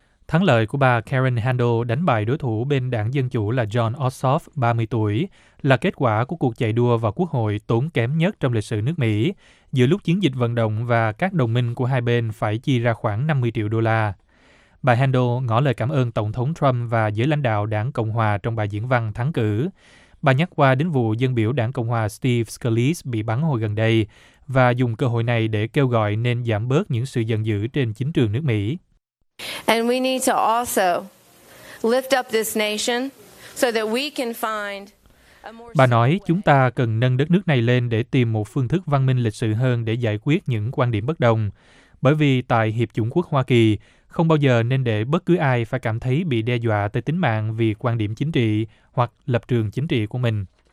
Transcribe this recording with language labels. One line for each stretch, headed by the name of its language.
Vietnamese: Thắng lợi của bà Karen Handel đánh bại đối thủ bên đảng Dân Chủ là John Ossoff, 30 tuổi, là kết quả của cuộc chạy đua vào quốc hội tốn kém nhất trong lịch sử nước Mỹ, giữa lúc chiến dịch vận động và các đồng minh của hai bên phải chi ra khoảng 50 triệu đô la. Bà Handel ngỏ lời cảm ơn Tổng thống Trump và giới lãnh đạo đảng Cộng hòa trong bài diễn văn thắng cử. Bà nhắc qua đến vụ dân biểu đảng Cộng hòa Steve Scalise bị bắn hồi gần đây và dùng cơ hội này để kêu gọi nên giảm bớt những sự giận dữ trên chính trường nước Mỹ.
English: And we need to also lift up this nation so that we can find a more.
Vietnamese: Bà nói chúng ta cần nâng đất nước này lên để tìm một phương thức văn minh lịch sự hơn để giải quyết những quan điểm bất đồng, bởi vì tại Hiệp chủng quốc Hoa Kỳ không bao giờ nên để bất cứ ai phải cảm thấy bị đe dọa tới tính mạng vì quan điểm chính trị hoặc lập trường chính trị của mình.